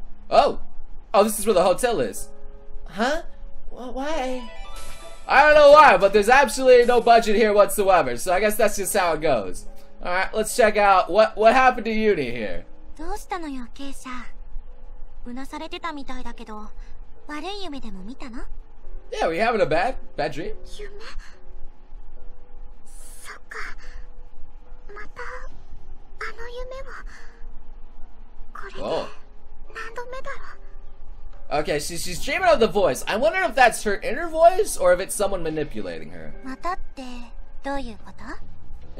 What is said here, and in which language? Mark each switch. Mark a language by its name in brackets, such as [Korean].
[English] Oh, this is where the hotel is. Huh? Why? I don't know why, but there's absolutely no budget here whatsoever, so I guess that's just how it goes. Alright, let's check out what happened to Yuni here. [Japanese] どうしたのよ, Keisha? うなされてたみたいだけど, 悪い夢でも見たの? [English] Yeah, we're having a bad dream. [Japanese] 夢? そっか...また...あの夢は... これで何度目だろう? [English] Okay, she's dreaming of the voice. I wonder if that's her inner voice or if it's someone manipulating her. [Japanese] またってどういうこと?